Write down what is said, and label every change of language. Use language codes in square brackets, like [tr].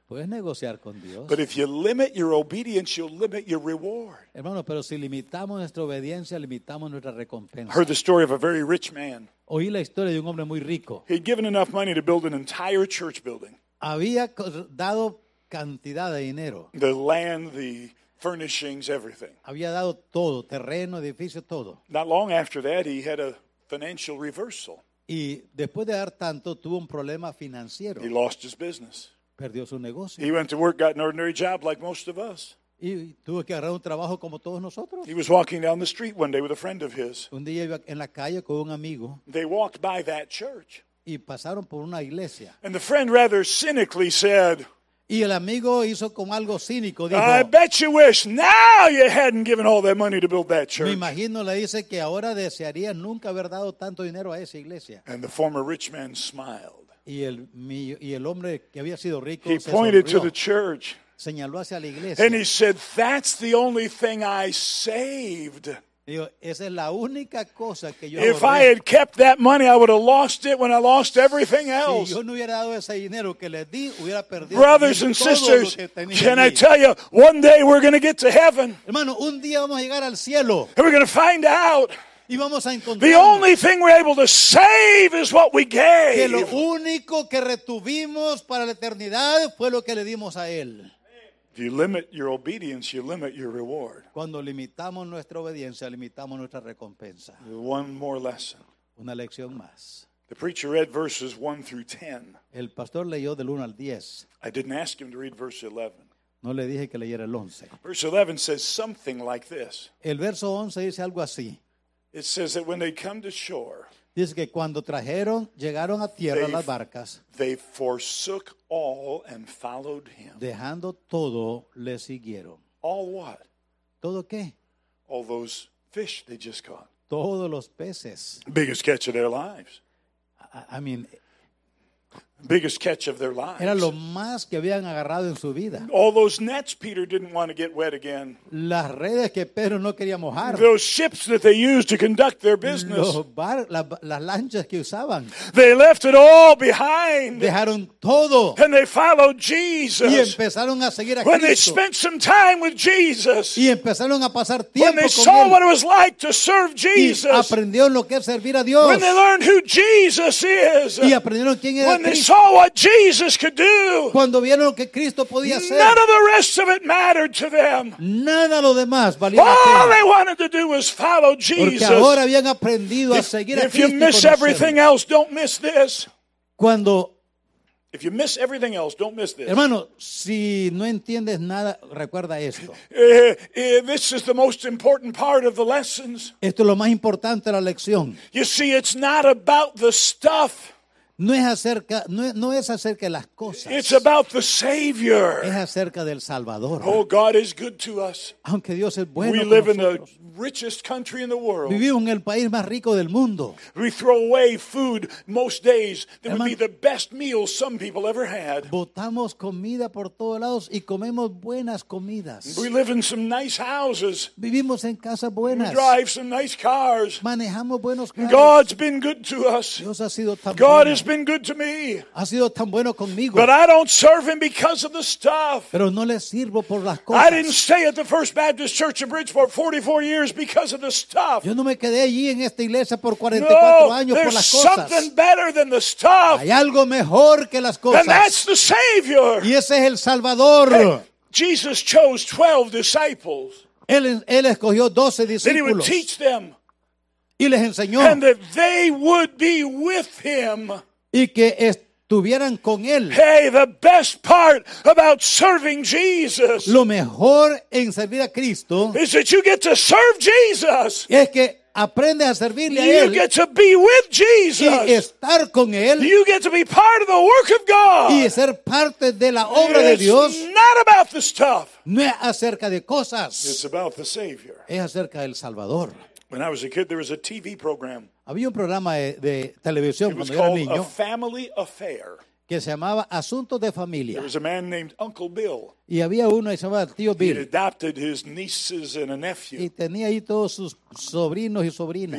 [es] Puedes negociar con Dios. [en] But if you limit your obedience, you'll limit your reward. [es] Hermano, pero si limitamos nuestra obediencia, limitamos nuestra recompensa. [en] Heard the story of a very rich man. [es] Oí la historia de un hombre muy rico. [en] He'd given enough money to build an entire church building. [es] Había dado cantidad de dinero. [en] The land, the furnishings, everything. [es] Había dado todo, terreno, edificio, todo. [en] Not long after that, he had a financial reversal. [es] Y después de dar tanto, tuvo un problema financiero. [en] He lost his business. [es] Perdió su negocio. [en] He went to work, got an ordinary job like most of us. [es] Y tuvo que agarrar un trabajo como todos nosotros. [en] He was walking down the street one day with a friend of his. [es] Un día iba en la calle con un amigo. [en] They walked by that church. [es] Y pasaron por una iglesia. [en] And the friend rather cynically said, [es] y el amigo hizo con algo cínico, dijo, [en] I bet you wish now you hadn't given all that money to build that church. [es] Me imagino, le dice, que ahora desearía nunca haber dado tanto dinero a esa iglesia. [en] And the former rich man smiled. [es] Y el hombre que había sido rico, [en] he pointed to the church. [es] Señaló hacia la iglesia. [en] And he said, that's the only thing I saved. [es] Esa es la única cosa que yo. [en] If I had kept that money, I would have lost it when I lost everything else. [es] Si yo no hubiera dado ese dinero que le di, hubiera perdido. [en] Brothers and sisters, can I tell you, one day we're going to get to heaven. [es] Hermano, un día vamos a llegar al cielo. [en] And we're going to find out. [es] Y vamos a encontrar. [en] The only thing we're able to save is what we gave. [es] Que lo único que retuvimos para la eternidad fue lo que le dimos a él. [en] If you limit your obedience, you limit your reward. [es] Cuando limitamos nuestra obediencia, limitamos nuestra recompensa. [en] One more lesson. [es] Una lección más. [en] The preacher read verses 1 through 10. [es] El pastor leyó del 1 al 10. [en] I didn't ask him to read verse 11. [es] No le dije que leyera el 11. [en] Verse 11 says something like this. [es] El verso 11 dice algo así. [en] It says that when they come to shore, [es] dice que cuando trajeron, llegaron a tierra las barcas, [en] they forsook all and followed him. [es] Dejando todo, le siguieron. [en] All what? [es] ¿Todo qué? [en] All those fish they just caught. [es] Todos los peces. [en] Biggest catch of their lives. I mean, biggest catch of their lives. [es] Era lo más que habían agarrado en su vida. [en] All those nets Peter didn't want to get wet again. [es] Las redes que Pedro no quería mojar. [en] Those ships that they used to conduct their business. [es] Las lanchas que usaban. [en] They left it all behind. [es] Dejaron todo. [en] And they followed Jesus. [es] Y empezaron a seguir a Cristo. [en] When they spent some time with Jesus. [es] Y empezaron a pasar tiempo [en] they saw what it was like to serve Jesus. [es] Y aprendieron lo que es servir a Dios. [en] When they learned who Jesus is. [es] Y aprendieron quién era Cristo. [en] They saw what Jesus could do. [es] Cuando vieron lo que Cristo podía hacer. [en] None of the rest of it mattered to them. [es] Nada lo demás valía. [en] All they wanted to do was follow Jesus. [es] Porque ahora habían aprendido a seguir a Cristo. [en] If you miss everything else, don't miss this. If you miss everything else, don't miss this. [es] Hermano, si no entiendes nada, recuerda esto. [en] This is the most important part of the lessons. [es] Esto es lo más importante de la lección. [en] You see, it's not about the stuff. [es] No es acerca de las cosas. [en] It's about the Savior. [es] Es acerca del Salvador. [en] Oh, God is good to us. [es] Aunque Dios es bueno, [en] we [es] con [en] live [es] nosotros. [en] In the richest country in the world. [es] Vivimos en el país más rico del mundo. [en] We throw away food most days that would be the best meal some people ever had. [es] Botamos comida por todos lados y comemos buenas comidas. [en] We live in some nice houses. [es] Vivimos en casas buenas. [en] We drive some nice cars. [es] Manejamos buenos carros. [en] God's been good to us. [es] Dios ha sido tan [en] God [es] bueno. [en] Has been good to me. [es] Ha sido tan bueno conmigo. [en] But I don't serve him because of the stuff. [es] Pero no le sirvo por las cosas. [en] I didn't stay at the First Baptist Church of Bridgeport 44 years because of the stuff. [es] Yo no me quedé allí en esta iglesia por 44 años por las cosas. [en] There's something better than the stuff. [es] Hay algo mejor que las cosas. [en] And that's the Savior. [es] Y ese es el Salvador. [en] Hey, Jesus chose 12 disciples. [es] Él escogió 12 discípulos. [en] Then he would teach them. [es] Y les enseñó. [en] And that they would be with him. [es] Y que estuvieran con él. [en] Hey, the best part about serving Jesus. [es] Lo mejor en servir a Cristo. [en] Is that you get to serve Jesus. [es] Es que aprendes a servirle a él. [en] You get to be with Jesus. [es] Y estar con él. [en] You get to be part of the work of God. [es] Y ser parte de la obra de Dios. [en] It's not about the stuff. [es] No es acerca de cosas. [en] It's about the Savior. [es] Es acerca del Salvador. [en] When I was a kid, there was a TV program. [es] Había un programa de televisión cuando era niño. [en] It was called A Family Affair. [es] Que se llamaba Asuntos de Familia. [en] There was a man named Uncle Bill. [es] Y había uno que se llamaba Tío Bill. [en] He had adopted his nieces and a nephew. [es] Y tenía ahí todos sus sobrinos y sobrinas.